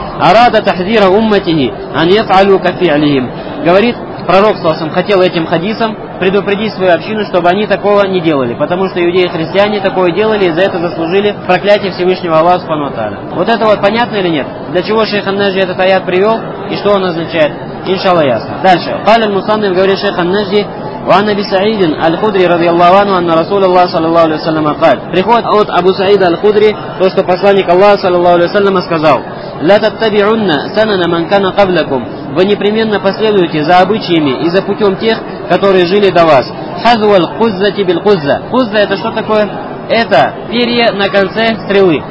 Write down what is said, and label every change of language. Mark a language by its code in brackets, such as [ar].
[ar] «Арада тахзира умматихи ан яфалю кафиалихим». [ru] Говорит пророк Саусам, хотел этим хадисом предупредить свою общину, чтобы они такого не делали. Потому что иудеи и христиане такое делали и за это заслужили проклятие Всевышнего Аллаха Субхану ва Тааля. Вот это вот понятно или нет? Для чего шейх ан-Наджди этот аят привел и что он означает? [ar] إن شاء الله ياسر. دالشه. قال المصنف قولي شيخ النجدي وعن أبي سعيد الخدري رضي الله عنه أن رسول الله صلى الله عليه وسلم قال. [ru] Приход от Абу Саида аль-Худри, то что посланник Аллаха صلى الله عليه وسلم сказал: [ar] لا تتبعن سنن من كان قبلكم. [ru] Вы непременно последуете за обычаями и за путем тех, которые жили до вас. [ar] حذو القزة بالقزة. [ru] قزة это что такое? Это перья на конце стрелы.